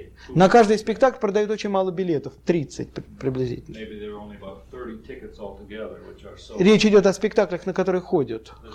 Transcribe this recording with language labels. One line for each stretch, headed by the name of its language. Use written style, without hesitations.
Russian: На каждый спектакль продают очень мало билетов, 30 приблизительно.
English: Maybe there are only about 30 tickets altogether, which are sold.
Russian: Речь идет о спектаклях, на которые ходят.